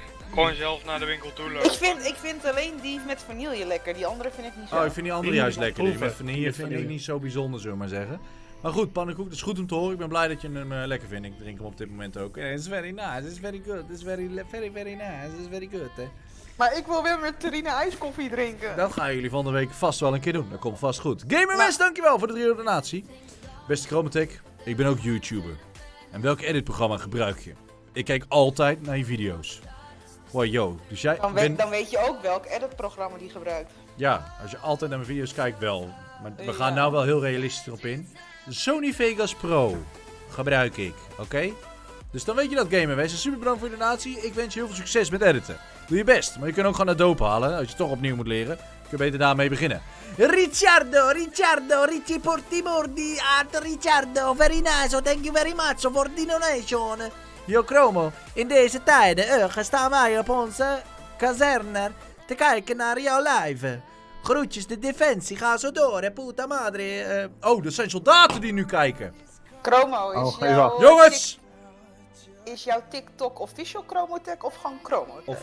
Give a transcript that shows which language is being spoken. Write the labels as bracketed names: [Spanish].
[Dutch] Gewoon zelf naar de winkel toe lopen. Ik vind alleen die met vanille lekker. Die andere vind ik niet zo. Oh, ik vind die andere juist lekker. Die met vanille vind ik niet zo bijzonder, zullen we maar zeggen. Maar goed, pannenkoek, dat is goed om te horen. Ik ben blij dat je hem lekker vindt. Ik drink hem op dit moment ook. [English] Yeah, it's very nice, it's very good. It's very, very, very nice, it's very good, hè. [Dutch] Maar ik wil weer met Terine ijskoffie drinken. Dat gaan jullie van de week vast wel een keer doen. Dat komt vast goed. GamerMest, dankjewel voor de 3 euro donatie. Beste Chromatec, ik ben ook YouTuber. En welk editprogramma gebruik je? Ik kijk altijd naar je video's. Wow, yo. Dus jij Dan weet je ook welk editprogramma die gebruikt. Ja, als je altijd naar mijn video's kijkt, wel. Maar we gaan nou wel heel realistisch erop in. Sony Vegas Pro gebruik ik, oké? Dus dan weet je dat, GamerMest. Super bedankt voor je donatie. Ik wens je heel veel succes met editen. Doe je best, maar je kunt ook gewoon Adobe halen. Als je toch opnieuw moet leren, kun je beter daarmee beginnen. [English] Ricciardo, Ricci Portimordi, Art Ricciardo, very nice, thank you very much for the donation. [Dutch] Yo, Chromo, in deze tijden staan wij op onze kazerne te kijken naar jouw live. Groetjes de defensie, ga zo door, hè, [Spanish] puta madre. [Dutch] Dat zijn soldaten die nu kijken. Chromo, jongens! Is jouw TikTok official Chromatec of gewoon Chromatec?